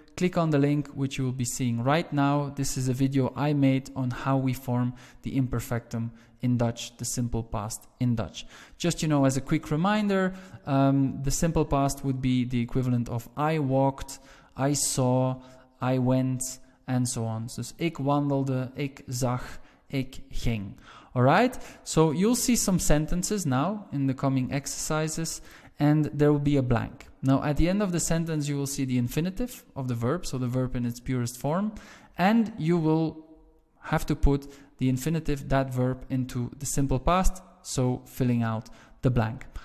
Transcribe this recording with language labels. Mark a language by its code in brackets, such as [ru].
[en] Click on the link which you will be seeing right now. This is a video I made on how we form the imperfectum in Dutch, the simple past in Dutch. Just, you know, as a quick reminder, the simple past would be the equivalent of I walked, I saw, I went, and so on. So it's [nl] ik wandelde, ik zag, ik ging. [en] All right? So you'll see some sentences now in the coming exercises. And there will be a blank. Now, at the end of the sentence, you will see the infinitive of the verb, so the verb in its purest form, and you will have to put the infinitive, that verb, into the simple past, so filling out the blank.